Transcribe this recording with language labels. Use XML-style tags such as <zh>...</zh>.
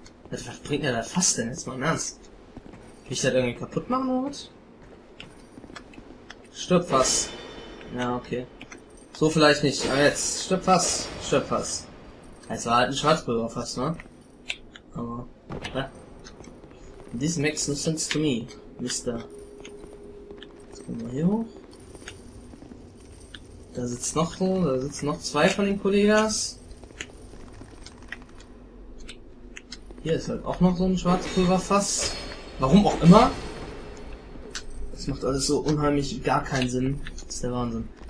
<de>Was bringt der da Fass denn jetzt mal im Ernst? Will ich das irgendwie kaputt machen oder was? Stirb Fass. Ja, okay. So vielleicht nicht, aber jetzt. Stirb Fass. Stirb Fass. Es war halt ein Schwarzbürger Fass, ne? Aber, hä?</de> <en>This makes no sense to me, Mister.</en> <de>Jetzt kommen wir hier hoch. Da sitzt noch so, da sitzen noch zwei von den Kollegas. Hier ist halt auch noch so ein Schwarzpulverfass. Warum auch immer? Das macht alles so unheimlich gar keinen Sinn. Das ist der Wahnsinn.</de>